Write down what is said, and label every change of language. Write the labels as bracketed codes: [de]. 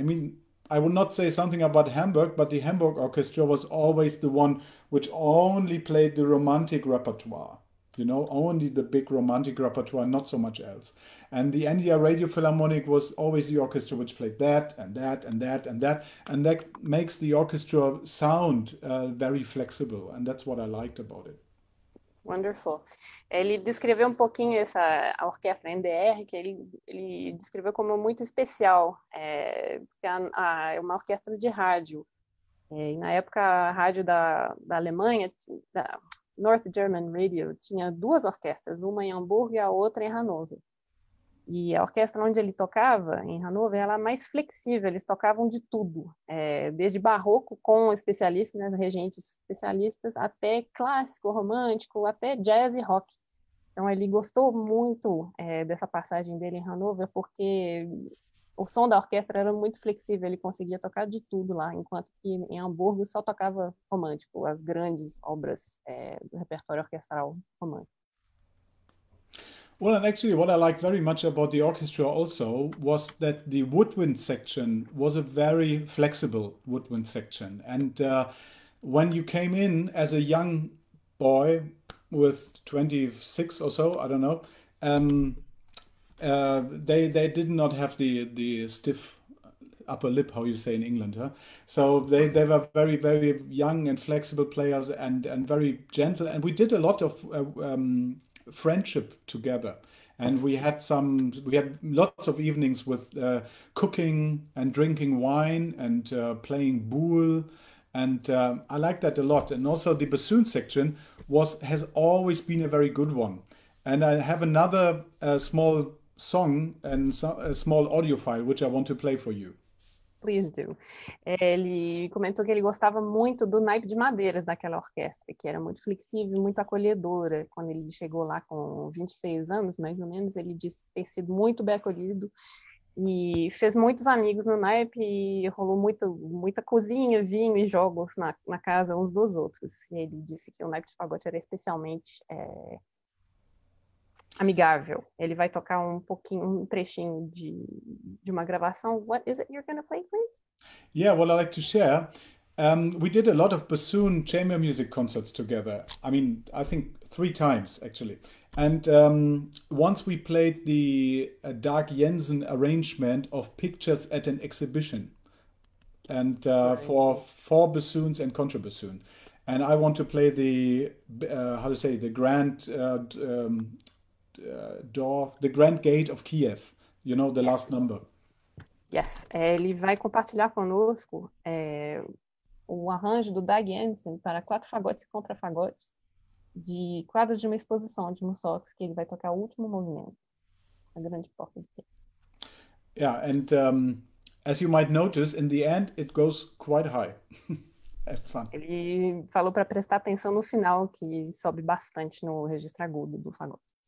[en] I mean, I would not say something about Hamburg, but the Hamburg orchestra was always the one which only played the romantic repertoire, you know, only the big romantic repertoire, not so much else. And the NDR Radiophilharmonic was always the orchestra which played that and that and that and that. And that makes the orchestra sound very flexible. And that's what I liked about it. Wonderful. [pt] Ele descreveu um pouquinho essa a orquestra NDR, que ele descreveu como muito especial, porque é uma orquestra de rádio. E na época, a rádio da Alemanha, da North German Radio, tinha duas orquestras, uma em Hamburgo e a outra em Hanover. E a orquestra onde ele tocava, em Hanover, era mais flexível, eles tocavam de tudo, desde barroco com especialistas, né, regentes especialistas, até clássico, romântico, até jazz e rock. Então ele gostou muito dessa passagem dele em Hanover, porque o som da orquestra era muito flexível, ele conseguia tocar de tudo lá, enquanto que em Hamburgo só tocava romântico, as grandes obras do repertório orquestral romântico. [en] Well, and actually what I liked very much about the orchestra also was that the woodwind section was a very flexible woodwind section. And when you came in as a young boy with 26 or so, I don't know, they did not have the stiff upper lip, how you say in England. Huh? So they were very, very young and flexible players and very gentle. And we did a lot of friendship together, and we had lots of evenings with cooking and drinking wine and playing boule, and I like that a lot. And also the bassoon section has always been a very good one, and I have another small song and a small audio file which I want to play for you. Please do. [pt] Ele comentou que ele gostava muito do naipe de madeiras daquela orquestra, que era muito flexível, muito acolhedora. Quando ele chegou lá com 26 anos, mais ou menos, ele disse ter sido muito bem acolhido e fez muitos amigos no naipe e rolou muita cozinha, vinho e jogos na casa uns dos outros. E ele disse que o naipe de fagote era especialmente amigável. Ele vai tocar um pouquinho, um trechinho de uma gravação. [en] What is it you're going to play, please? Yeah, well, I'd like to share. We did a lot of bassoon chamber music concerts together. I mean, I think three times, actually. And once we played the Dag Jensen arrangement of Pictures at an Exhibition. And for four bassoons and contrabassoon. And I want to play the Grand Gate of Kiev, you know, the last number. [pt] Yes, ele vai compartilhar conosco o arranjo do Dag Jensen para quatro fagotes e contrafagotes de quadros de uma exposição de Mussorgsky, que ele vai tocar o último movimento. a grande porta de tempo. [en] Yeah, and as you might notice, in the end, it goes quite high. [pt] Ele falou para prestar atenção no final, que sobe bastante no registro agudo do fagote.